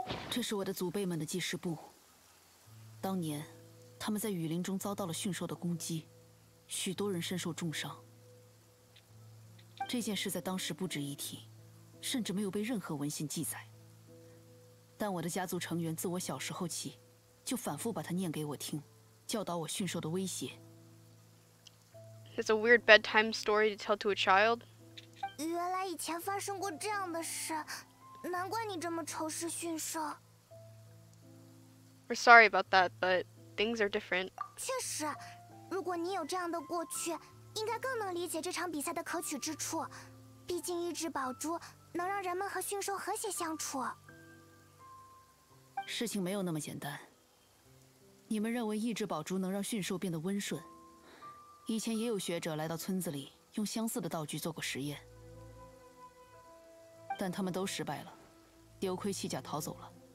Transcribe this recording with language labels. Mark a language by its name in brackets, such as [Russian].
[Chinese] 这是我的祖辈们的记事簿。当年，他们在雨林中遭到了驯兽的攻击，许多人身受重伤。这件事在当时不值一提，甚至没有被任何文献记载，但我的家族成员自我小时候起就反复把它念给我听，教导我驯兽的威胁。 [English] It's a weird bedtime story to tell to a child. [Chinese] 原来以前发生过这样的事，难怪你这么仇视驯兽。 [English] We're sorry about that, but things are different. [Chinese] 确实，如果你有这样的过去，应该更能理解这场比赛的可取之处。毕竟一只宝珠能让人们和驯兽和谐相处。事情没有那么简单。你们认为一只宝珠能让驯兽变得温顺？以前也有学者来到村子里，用相似的道具做过实验，但他们都失败了，丢盔弃甲逃走了。